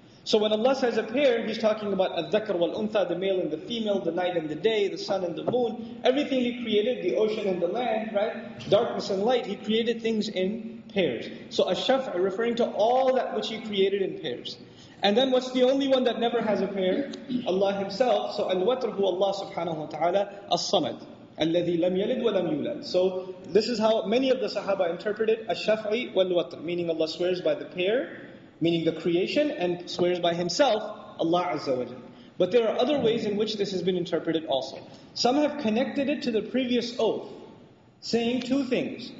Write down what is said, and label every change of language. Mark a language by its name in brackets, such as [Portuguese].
[English] So when Allah says a pair, He's talking about [Arabic] الذكر والأنثى, [English] the male and the female, the night and the day, the sun and the moon, everything He created, the ocean and the land, right? Darkness and light, He created things in pairs. So الشَّفْعَ, referring to all that which He created in pairs. And then what's the only one that never has a pair? Allah Himself. [Arabic] So الوتر هو الله سبحانه وتعالى الصمد. الَّذِي لَمْ يَلِدْ وَلَمْ يُولَدْ [English] So this is how many of the Sahaba interpreted [Arabic] الشَّفْعِ وَالْوَتْرِ, [English] meaning Allah swears by the pair, meaning the creation, and swears by Himself, Allah Azza wa Jalla. But there are other ways in which this has been interpreted also. Some have connected it to the previous oath, saying two things.